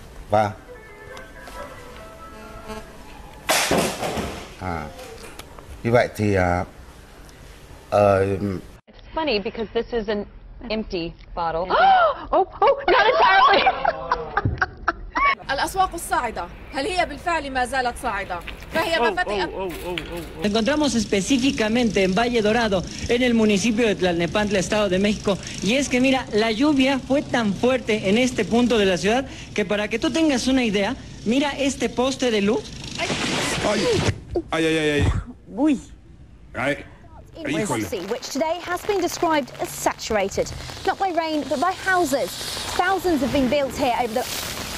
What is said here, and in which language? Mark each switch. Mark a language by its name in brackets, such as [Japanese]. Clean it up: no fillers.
[English] Wow. You're right, it's funny because this is an empty bottle. Oh, not entirely! [Arabic] الأسواق الصاعدة هل هي بالفعل ما زالت صاعدة فهي مفاتيح [Spanish] encontramos específicamente en Valle Dorado en el municipio de Tlalnepantla Estado de México y es que mira la lluvia fue tan fuerte en este punto de la ciudad que para que tú tengas una idea mira este poste de luz ay uy ay. [English] In Mississippi, which today has been described as saturated not by rain but by houses thousands have been built here over the